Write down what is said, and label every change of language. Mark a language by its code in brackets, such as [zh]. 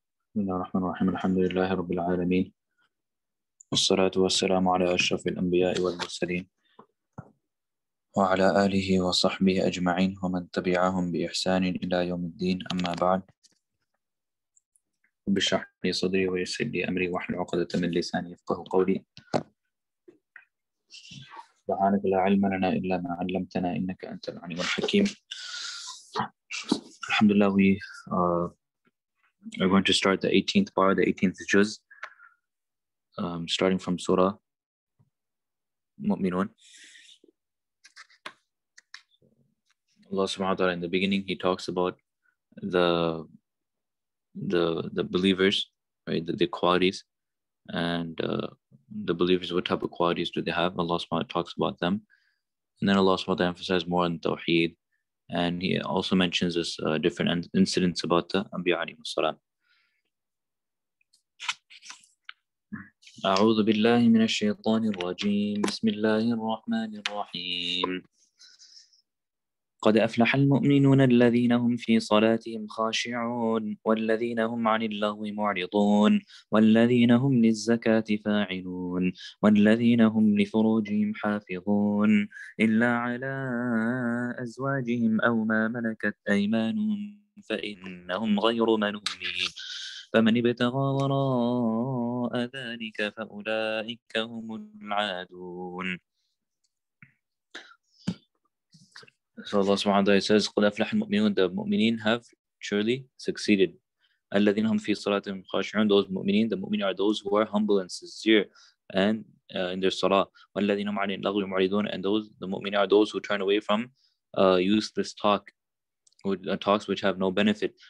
[ar] بسم الله الرحمن الرحيم، الحمد لله رب العالمين، والصلاة والسلام على أشرف الأنبياء والمرسلين وعلى آله وصحبه أجمعين ومن تبعهم بإحسان إلى يوم الدين، أما بعد. رب اشرح لي صدري ويسر لي أمري واحلل عقدة من لساني يفقه قولي. سبحانك لا علم لنا إلا ما علمتنا إنك أنت العليم الحكيم. الحمد لله. [en] We are going to start the 18th bar, the 18th juz, starting from Surah Mu'minun. Allah subhanahu wa ta'ala, in the beginning, he talks about the believers, right, the qualities, and the believers, what type of qualities do they have? Allah subhanahu wa ta'ala talks about them. And then Allah subhanahu wa ta'ala emphasizes more on Tawheed. And he also mentions this different incidents about the Anbiya alayhimus salam. [ar] أعوذ بالله من الشيطان الرجيم بسم الله الرحمن الرحيم قد أفلح المؤمنون الذين هم في صلاتهم خاشعون والذين هم عن اللغو معرضون والذين هم للزكاة فاعلون والذين هم لفروجهم حافظون إلا على أزواجهم أو ما ملكت أيمانهم فإنهم غير ملومين فمن ابتغى وراء ذلك فأولئك هم العادون. [en] So Allah subhanahu wa ta'ala says, [ar] قُلْ أَفْلَحَ الْمُؤْمِنُونَ, [en] the mu'mineen have surely succeeded. [ar] أَلَّذِينَ هُمْ فِي صَلَاتِهِمْ خَاشِعُونَ, [en] those mu'mineen, the mu'mineen are those who are humble and sincere and in their salah. [ar] وَالَّذِينَ هُمْ عَلَى اللَّغْوِ مُعْرِضُونَ, [en] and those, the mu'mineen are those who turn away from useless talk, talks which have no benefit.